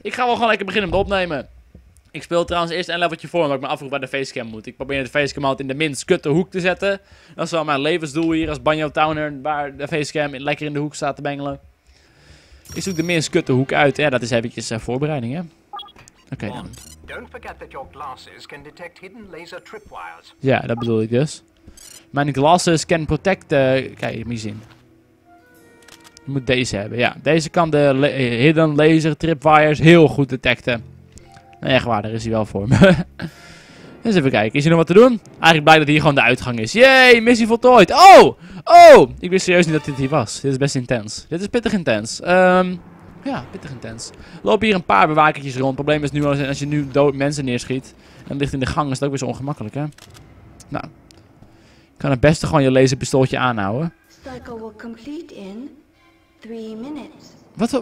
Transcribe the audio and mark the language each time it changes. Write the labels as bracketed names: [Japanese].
[Dutch] Ik ga wel gewoon lekker beginnen met opnemen. Ik speel trouwens eerst een leveltje voor, omdat ik me afvroeg waar de facecam moet. Ik probeer de facecam altijd in de minst kutte hoek te zetten. Dat is wel mijn levensdoel hier als Banjo Towner, waar de facecam lekker in de hoek staat te bengelen. Ik zoek de minst kutte hoek uit. Ja, dat is eventjes voorbereiding, hè. Oké, dan. [English] Don't forget that your glasses can detect hidden laser tripwires. [Dutch] Ja, dat bedoel ik dus. Mijn [English] glasses can protect... [Dutch] Kijk, je moet je zien. Je moet deze hebben, ja. Deze kan de hidden laser tripwires heel goed detecten. Nou, echt waar, daar is hij wel voor me. Eens even kijken, is hier nog wat te doen? Eigenlijk blij dat hier gewoon de uitgang is. Yay, missie voltooid. Oh, oh, ik wist serieus niet dat dit hier was. Dit is best intens. Dit is pittig intens. Ja, pittig intens. Lopen hier een paar bewakertjes rond. Het probleem is nu als je nu dood mensen neerschiet. En ligt in de gang, is dat ook weer zo ongemakkelijk, hè? Nou, je kan het beste gewoon je laserpistooltje aanhouden. [English] Cycle will complete in 3 minutes.